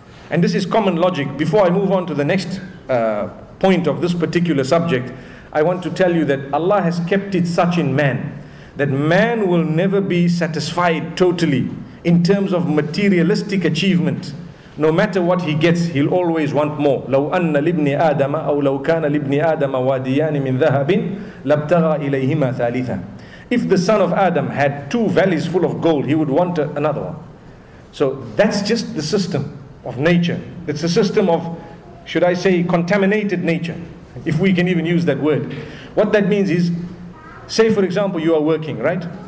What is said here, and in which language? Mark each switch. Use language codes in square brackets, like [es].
[en] And this is common logic. Before I move on to the next point of this particular subject, I want to tell you that Allah has kept it such in man that man will never be satisfied totally in terms of materialistic achievement. No matter what he gets, he'll always want more. [ar] لو أن لابن آدم أو لو كان لابن آدم واديان من ذهب لابتغى إليهما ثالثا. [en] If the son of Adam had 2 valleys full of gold, he would want another one. So that's just the system of nature. It's a system of, should I say, contaminated nature, if we can even use that word. What that means is, say for example, you are working, right?